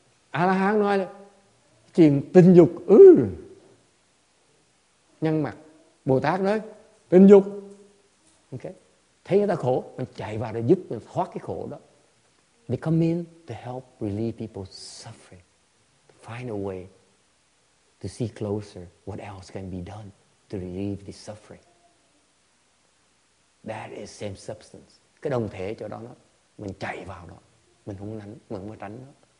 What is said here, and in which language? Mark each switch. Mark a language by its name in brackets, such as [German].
[Vietnamese] Arahant nói, chuyện tình dục? Nhân mặt. Bồ Tát nói, tình dục? Okay? Thấy người ta khổ, mình chạy vào để giúp mình thoát cái khổ đó. [English] They come in to help relieve people's suffering, to find a way to see closer what else can be done to relieve the suffering. That is same substance. [Vietnamese] Cái đồng thể chỗ đó, mình chạy vào đó, mình không tránh, mình không tránh đó.